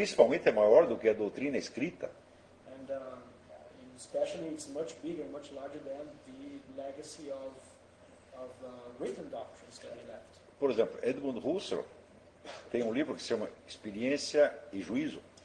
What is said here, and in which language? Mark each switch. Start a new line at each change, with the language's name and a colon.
Portuguese: Principalmente é maior do que a doutrina escrita.
English: And especially it's much bigger, much larger than the legacy of written doctrines that he left.
Portuguese: Por exemplo, Edmund Husserl tem um livro que se chama Experiência e Juízo.